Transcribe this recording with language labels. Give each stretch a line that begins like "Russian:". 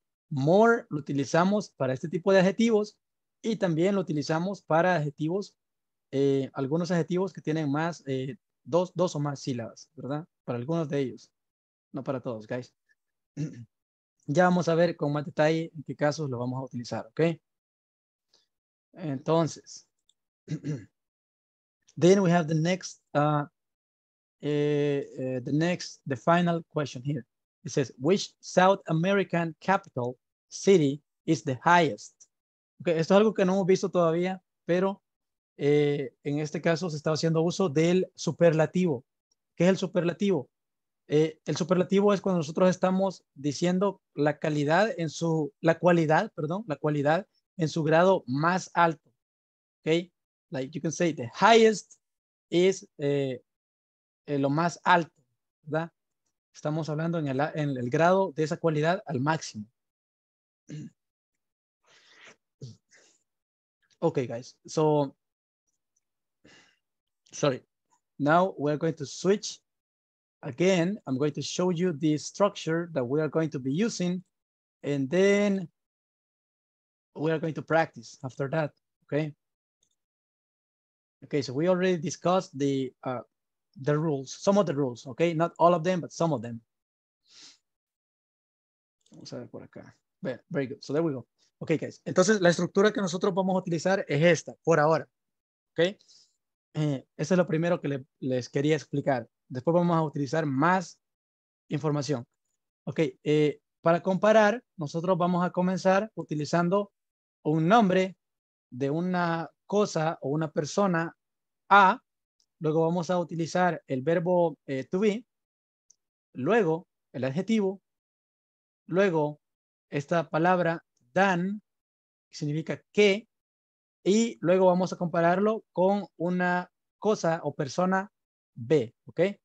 Spanish: More lo utilizamos para este tipo de adjetivos y también lo utilizamos para adjetivos, algunos adjetivos que tienen más, dos o más sílabas, ¿verdad? Para algunos de ellos, no para todos, guys. Ya vamos a ver con más detalle en qué casos lo vamos a utilizar, ¿ok? Entonces,
English: then we have the final question here. It says, which South American capital city is the highest?
Spanish: Okay, esto es algo que no hemos visto todavía, pero en este caso se está haciendo uso del superlativo. ¿Qué es el superlativo? El superlativo es cuando nosotros estamos diciendo la cualidad en su grado más alto, ¿ok?
English: Like you can say the highest is
Spanish: lo más alto, ¿verdad? Estamos hablando en el grado de esa cualidad al máximo.
English: Okay, guys. So, sorry. Now we're going to switch. Again, I'm going to show you the structure that we are going to be using, and then we are going to practice after that, okay? Okay, so we already discussed the rules, some of the rules, okay? Not all of them, but some of them.
Spanish: Vamos a ver por acá.
English: Very good, so there we go.
Spanish: Okay, guys, entonces la estructura que nosotros vamos a utilizar es esta, por ahora, okay? Eso es lo primero que les quería explicar. Después vamos a utilizar más información. Okay, para comparar, nosotros vamos a comenzar utilizando un nombre de una cosa o una persona A, luego vamos a utilizar el verbo to be, luego el adjetivo, luego esta palabra than, que significa que, y luego vamos a compararlo con una cosa o persona B, ¿ok?